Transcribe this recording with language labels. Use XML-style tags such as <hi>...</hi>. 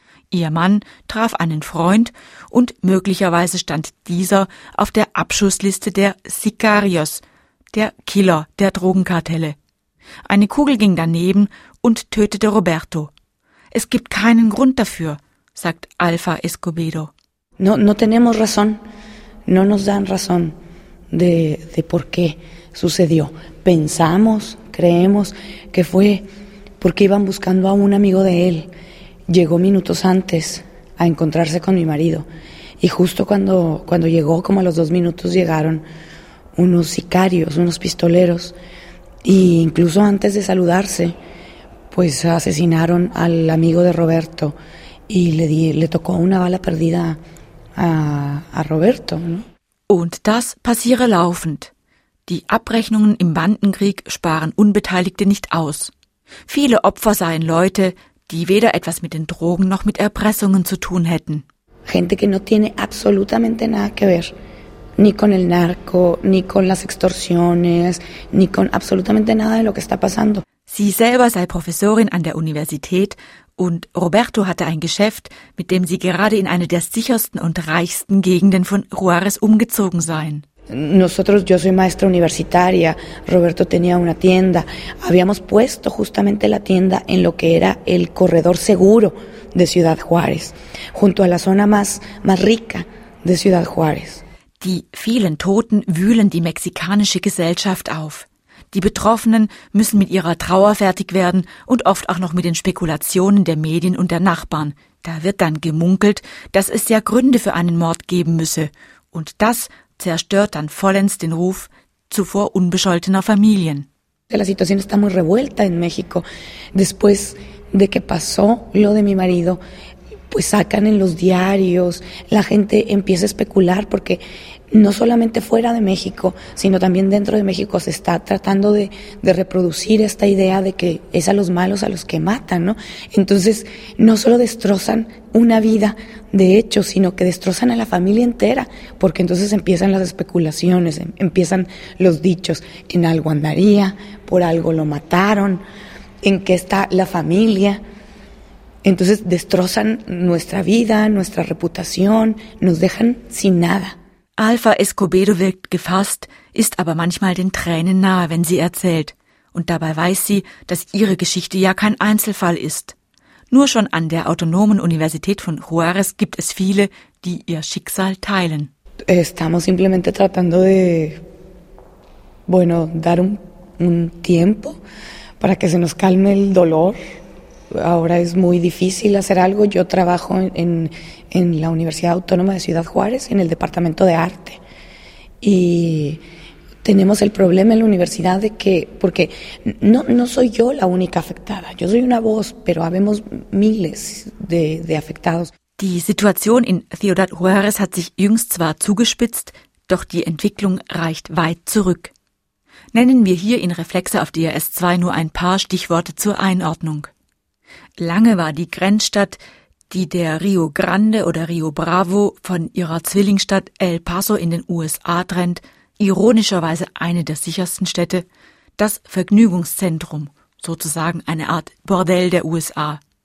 <de>Ihr Mann traf einen Freund und möglicherweise stand dieser auf der Abschussliste der Sicarios, der Killer der Drogenkartelle. Eine Kugel ging daneben und tötete Roberto. Es gibt keinen Grund dafür, sagt Alfa Escobedo.</de> <es>No tenemos razón. No nos dan razón de por qué sucedió. Pensamos, creemos que fue porque iban buscando a un amigo de él. Llegó minutos antes a encontrarse con mi marido. Y justo cuando llegó, como a los 2 minutos, llegaron unos sicarios, unos pistoleros. E incluso antes de saludarse, pues asesinaron al amigo de Roberto. Y le tocó una bala perdida a Roberto, ¿no?</es> <de>Und das passiere laufend. Die Abrechnungen im Bandenkrieg sparen Unbeteiligte nicht aus. Viele Opfer seien Leute, die weder etwas mit den Drogen noch mit Erpressungen zu tun hätten.</de> <es>Gente que no tiene absolutamente nada que ver, ni con el narco, ni con las extorsiones, ni con absolutamente nada de lo que está pasando.</es> <de>Sie selber sei Professorin an der Universität und Roberto hatte ein Geschäft, mit dem sie gerade in eine der sichersten und reichsten Gegenden von Juárez umgezogen seien.</de> <es>Nosotros, yo soy maestra universitaria, Roberto tenía una tienda. Habíamos puesto justamente la tienda en lo que era el corredor seguro de Ciudad Juárez, junto a la zona más rica de Ciudad Juárez.</es> <de>Die vielen Toten wühlen die mexikanische Gesellschaft auf. Die Betroffenen müssen mit ihrer Trauer fertig werden und oft auch noch mit den Spekulationen der Medien und der Nachbarn. Da wird dann gemunkelt, dass es ja Gründe für einen Mord geben müsse. Und das zerstört dann vollends den Ruf zuvor unbescholtener Familien.</de> <es>La situación está muy revuelta en México. Después de que pasó lo de mi marido, pues sacan en los diarios, la gente empieza a especular porque no solamente fuera de México, sino también dentro de México se está tratando de reproducir esta idea de que es a los malos a los que matan, ¿no? Entonces, no solo destrozan una vida de hecho, sino que destrozan a la familia entera, porque entonces empiezan las especulaciones, empiezan los dichos, en algo andaría, por algo lo mataron, en qué está la familia. Entonces destrozan nuestra vida, nuestra reputación, nos dejan sin nada.</es> <de>Alfa Escobedo wirkt gefasst, ist aber manchmal den Tränen nahe, wenn sie erzählt. Und dabei weiß sie, dass ihre Geschichte ja kein Einzelfall ist. Nur schon an der Autonomen Universität von Juárez gibt es viele, die ihr Schicksal teilen.</de> <es>Estamos simplemente tratando de, bueno, dar un tiempo para que se nos calme el dolor. Ahora es muy difícil hacer algo. Yo trabajo en la Universidad Autónoma de Ciudad Juárez, en el Departamento de Arte. Y tenemos el problema en la universidad de que, porque no soy yo la única afectada. Yo soy una voz, pero habemos miles de afectados.</es> <de>Die Situation in Ciudad Juárez hat sich jüngst zwar zugespitzt, doch die Entwicklung reicht weit zurück. Nennen wir hier in Reflexe auf DRS2 nur ein paar Stichworte zur Einordnung. Lange war die Grenzstadt, die der Rio Grande oder Rio Bravo von ihrer Zwillingsstadt El Paso in den USA trennt, ironischerweise eine der sichersten Städte, das Vergnügungszentrum, sozusagen eine Art Bordell der USA.</de>